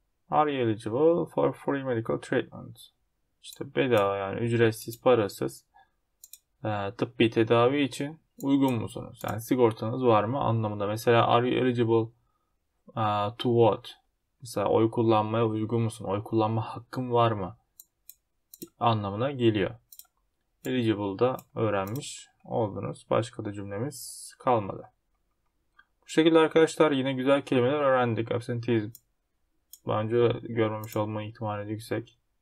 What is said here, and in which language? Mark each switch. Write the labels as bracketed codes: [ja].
[en] Are you eligible for free medical treatment? [tr] İşte bedava yani ücretsiz, parasız. Tıbbi tedavi için uygun musunuz? Yani sigortanız var mı anlamında. [en] Mesela are you eligible to vote? [tr] Mesela oy kullanmaya uygun musun? Oy kullanma hakkın var mı? Anlamına geliyor. Eligible'da öğrenmiş oldunuz. Başka da cümlemiz kalmadı. Bu şekilde arkadaşlar yine güzel kelimeler öğrendik. Absenteeism. Daha önce görmemiş olma ihtimali yüksek.